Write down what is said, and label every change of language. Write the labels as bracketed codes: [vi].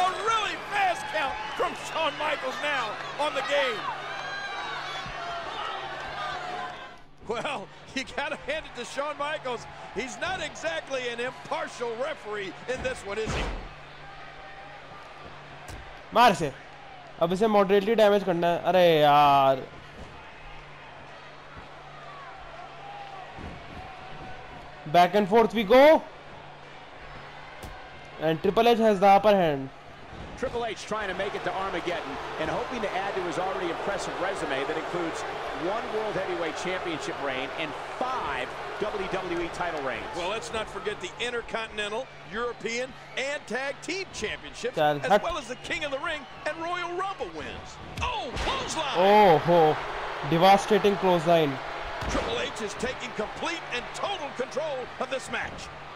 [en] A really fast count from Shawn Michaels now on the game. Well, you gotta hand it to Shawn Michaels. He's not exactly an impartial referee in this one, is he? Marcy. [hi] अब इसे moderately damage करना है अरे यार [en] Back and forth we go and triple H has the upper hand triple H trying to make it to Armageddon and hoping to add to his already impressive resume that includes one world heavyweight championship reign and five WWE title reigns. Well, let's not forget the Intercontinental, European, and Tag Team Championships, as well as the King of the Ring and Royal Rumble wins. Oh, clothesline! Oh, oh, devastating clothesline. Triple H is taking complete and total control of this match.